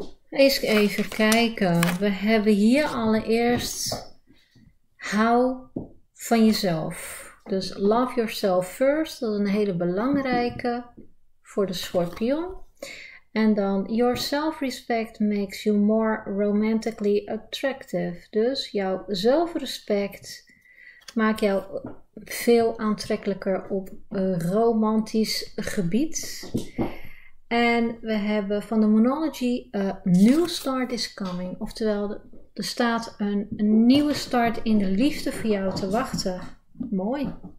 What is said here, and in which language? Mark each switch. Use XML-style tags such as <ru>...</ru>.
<nl>Eens even kijken. We hebben hier allereerst hou van jezelf. Dus</nl> <en>love yourself first.</en> <nl>Dat is een hele belangrijke voor de schorpioen. En dan,</nl> <en>your self-respect makes you more romantically attractive.</en> <nl>Dus jouw zelfrespect maakt jou veel aantrekkelijker op romantisch gebied. En we hebben van de Moonology,</nl> <en>a new start is coming.</en> <nl>Oftewel, er staat een nieuwe start in de liefde voor jou te wachten. Mooi.</nl>